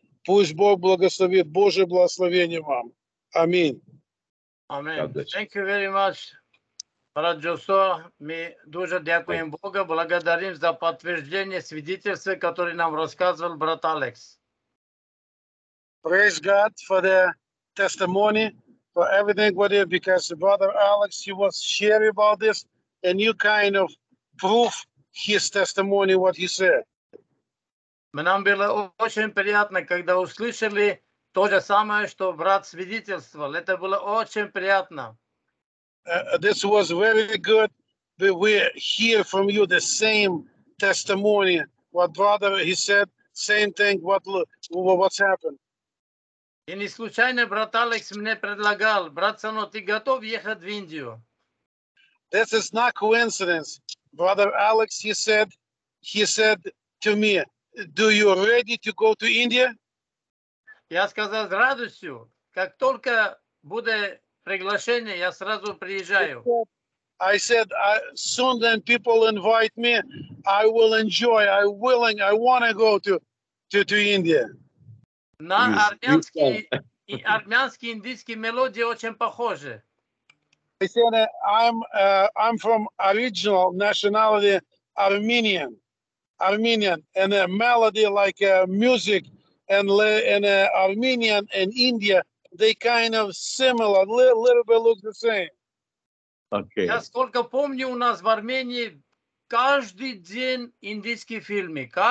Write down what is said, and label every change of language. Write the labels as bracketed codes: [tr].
[ru] Пусть Бог благословит. Божье благословение вам. Аминь. [en] Аминь. Thank you very much, брат Джосо. [uk] Мы дуже дякуем Бога. [ru] Благодарим за подтверждение свидетельства, которое нам рассказывал брат Алекс. [en] Praise God for the testimony. For everything what is, because Brother Alex, he was sharing about this, a new kind of proof his testimony, what he said. [ru] Нам было очень приятно, когда услышали то же самое, что брат свидетельствовал. Это было очень приятно. [en] This was very good, but we hear from you the same testimony, what brother he said, same thing, what's happened. [ru] И не случайно брат Алекс мне предлагал, брат Сано, ты готов ехать в Индию? [en] This is not coincidence. Brother Alex, he said to me, do you ready to go to India? [ru] Я сказал с радостью, как только будет приглашение, я сразу приезжаю. [en] I said, soon then people invite me, I will enjoy, I'm willing, I want to go to India. [ru] На армянский и армянский индийский мелодии очень похожи. [en] I said I'm from original nationality Armenian, and a melody like music and Armenian and India, they kind of similar, little bit look the same. Okay. [ru] Я сколько помню, у нас в Армении каждый день индийские фильмы,